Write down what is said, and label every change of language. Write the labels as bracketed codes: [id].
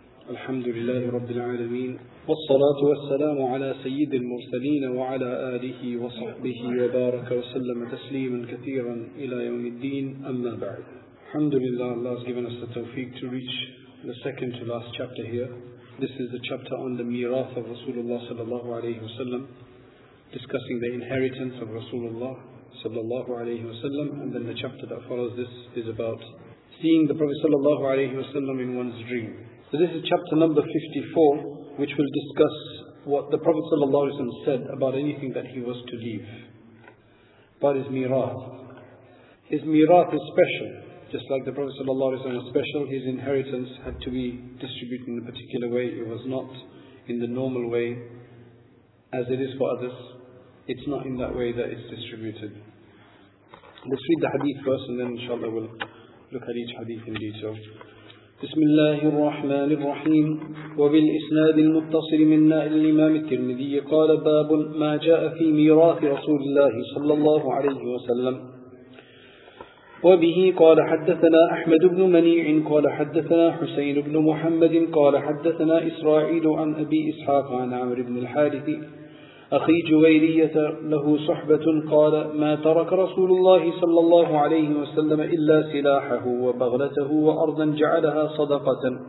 [ar] الحمد لله رب العالمين، والصلاة والسلام على سيد المرسلين وعلى آله وصحبه وبارك وسلم تسليما كثيرا إلى يوم الدين، أما بعد. الحمد لله، [en] Allah has given us the tawfiq to reach the second to last chapter here. This is the chapter on the mirath of Rasulullah sallallahu alayhi wasallam, discussing the inheritance of Rasulullah sallallahu alayhi wasallam, and then the chapter that follows this is about seeing the Prophet sallallahu alayhi wasallam in one's dream. So this is chapter number 54, which will discuss what the Prophet sallallahu alayhi wasallam said about anything that he was to leave, about his mirath. His mirath is special. Just like the Prophet sallallahu alayhi wasallam was special, his inheritance had to be distributed in a particular way. It was not in the normal way as it is for others. It's not in that way that it's distributed. Let's read the hadith first, and then inshallah we'll look at each hadith in detail. [ar] بسم الله الرحمن الرحيم وبالإسناد المتصل منا الإمام الترمذي قال باب ما جاء في ميراث رسول الله صلى الله عليه وسلم وبه قال حدثنا أحمد بن منيع قال حدثنا حسين بن محمد قال حدثنا إسرائيل عن أبي إسحاق عن عمرو بن الحارث أخي جويرية له صحبة قال ما ترك رسول الله صلى الله عليه وسلم إلا سلاحه وبغلته وأرضا جعلها صدقة.